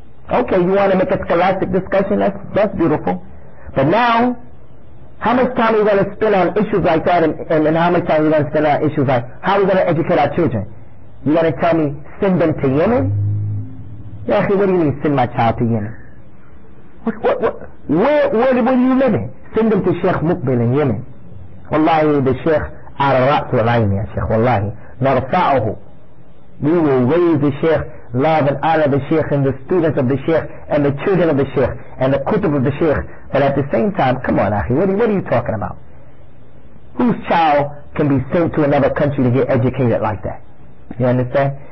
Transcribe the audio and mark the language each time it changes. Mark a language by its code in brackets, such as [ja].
[en] Okay, you want to make a scholastic discussion? That's beautiful. But now, how much time are we going to spend on issues like that, and how much time are we going to spend on issues like, how are we going to educate our children? You going to tell me, send them to Yemen? Yeah, what do you mean, send my child to Yemen? What? Where are you living? Send them to Sheikh Muqbil in Yemen. [ar] والله بالشيخ على رأس العين يا شيخ والله نرفعه. [en] We will raise the Sheikh, love and honor the Sheikh and the students of the Sheikh and the children of the Sheikh and the kutub of the Sheikh. But at the same time, come on, Akhi, what are you talking about? Whose child can be sent to another country to get educated like that? You understand?